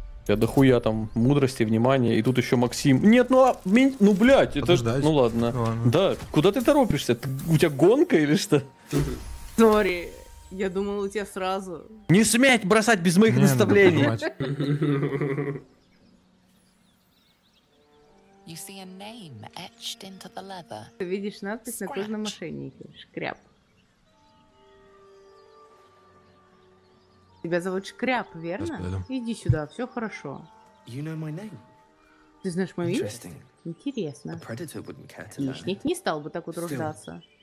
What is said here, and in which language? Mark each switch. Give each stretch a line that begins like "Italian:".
Russian: Я дохуя там мудрости, внимания, и тут еще Максим. Нет, ну а ну блять, это ж. Ну ладно. Да, куда ты торопишься? Ты, у тебя гонка или что? Сори, я думал, у тебя сразу. Не сметь бросать без моих наставлений.
English: You see a name etched into the leather.
Russian: Ты видишь надпись на кожном мошеннике. Шкряп. Тебя зовут Шкряп, верно? Иди сюда, все хорошо.
English: You know my name.
Russian: Ты знаешь мое имя? Интересно. Хищник не стал бы так утруждаться.